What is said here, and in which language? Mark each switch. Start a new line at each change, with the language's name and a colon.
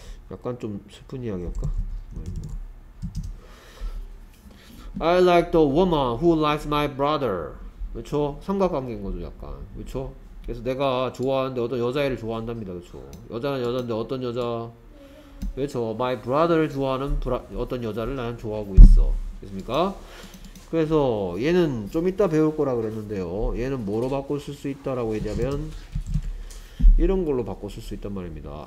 Korean: 약간 좀 슬픈 이야기 할까?
English: I like the woman who likes my brother.
Korean: 그렇죠? 삼각관계인 거죠, 약간. 그렇죠? 그래서 내가 좋아하는데 어떤 여자애를 좋아한답니다. 그렇죠? 여자는 여자인데 어떤 여자? 그렇죠? My brother를 좋아하는 어떤 여자를 나는 좋아하고 있어. 됐습니까? 그래서 얘는 좀 이따 배울 거라 그랬는데요. 얘는 뭐로 바꿔 쓸 수 있다라고 했냐면 이런 걸로 바꿔 쓸 수 있단 말입니다.